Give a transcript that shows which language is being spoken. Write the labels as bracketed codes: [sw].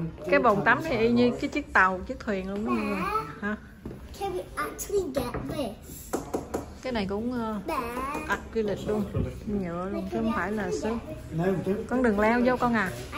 [vi] Cái bồn tắm này y như cái chiếc tàu, chiếc thuyền luôn đó mọi người. Hả? [en] Can we actually get this? [vi] Cái này cũng acrylic luôn, nhựa luôn, chứ không phải là sứt. Con đừng leo vô con à.